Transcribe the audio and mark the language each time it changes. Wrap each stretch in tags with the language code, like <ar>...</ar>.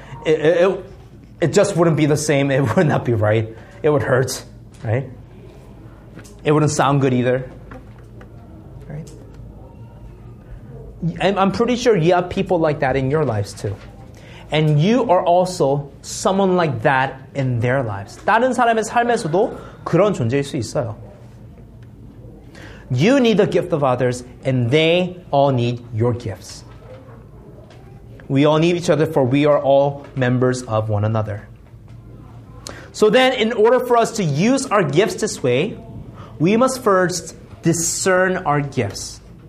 <en>It just wouldn't be the same. It would not be right. It would hurt, right? It wouldn't sound good either, right? And I'm pretty sure you have people like that in your lives too. And you are also someone like that in their lives.</en> <ko>다른 사람의 삶에서도 그런 존재일 수 있어요.</ko> <en>You need the gift of others, and they all need your gifts. We all need each other, for we are all members of one another. So then, in order for us to use our gifts this way, we must first discern our gifts.</en>